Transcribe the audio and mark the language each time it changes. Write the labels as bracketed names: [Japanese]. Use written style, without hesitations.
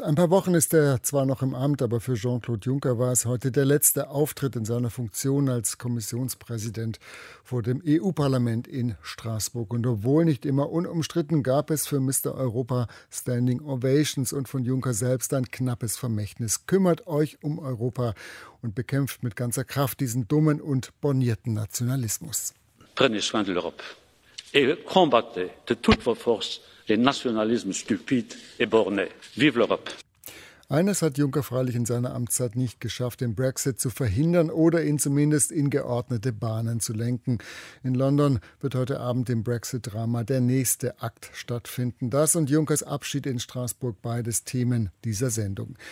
[German] Ein paar Wochen ist er zwar noch im Amt, aber für Jean-Claude Juncker war es heute der letzte Auftritt in seiner Funktion als Kommissionspräsident vor dem EU-Parlament in Straßburg. Und obwohl nicht immer unumstritten, gab es für Mr. Europa Standing Ovations und von Juncker selbst ein knappes Vermächtnis. Kümmert euch um Europa und bekämpft mit ganzer Kraft diesen dummen und bornierten Nationalismus. [French] Prenez soin de l'Europe. Et combattez de toutes vos forces les nationalismes stupides et bornés. Vive l'Europe! [German] Eines hat Juncker freilich in seiner Amtszeit nicht geschafft, den Brexit zu verhindern oder ihn zumindest in geordnete Bahnen zu lenken. In London wird heute Abend im Brexit-Drama der nächste Akt stattfinden. Das und Junkers Abschied in Straßburg, beides Themen dieser Sendung.